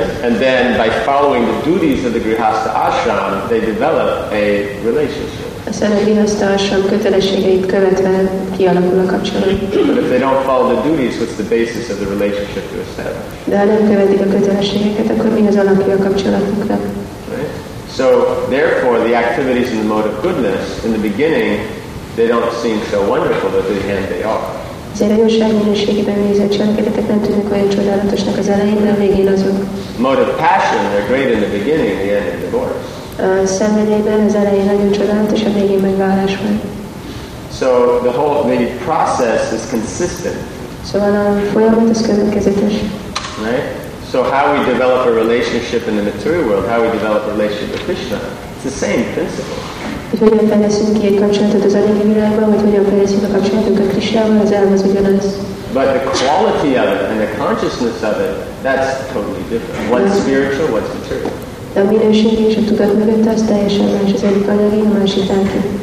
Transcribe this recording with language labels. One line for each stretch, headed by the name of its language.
English: And then by following the duties of the grihastha ashram, they develop a relationship.
Hungarian: Aztán a grihastha ashram kötelességeit követve kialakul a kapcsolat.
English: But if they don't follow the duties, what's the basis of the relationship to establish?
Hungarian: De ha nem követik a kötelességeket, akkor mi az alapja a kapcsolatunkra?
English: So, therefore, the activities in the mode of goodness, in the beginning, they don't seem so wonderful, but in the end they are.
Hungarian: Azért a jóság minőségében végzett cselekedetek nem tűnik olyan csodálatosnak az elején, de a végén azok.
English: Motive passion, they're great in the beginning, the end of divorce.
Hungarian: Szenvedélyben az elején nagyon csodálatos, a végén megválás van.
English: So the whole the process is consistent.
Hungarian: Szóval a folyamat az következetes.
English: Right? So how we develop a relationship in the material world, how we develop a relationship with Krishna, it's the same principle.
Hungarian: Hogy hogyan fejleszünk ki egy kapcsolatot az anyagi világban, vagy hogyan fejleszünk a kapcsolatunk a Krisnával, az elem az ugyanaz.
English: But the quality of it and the consciousness of it, that's totally different. What's spiritual, what's material.
Hungarian: De a minőség és a tudat mögött az teljesen más, az egyik anyagi, a másik lelki.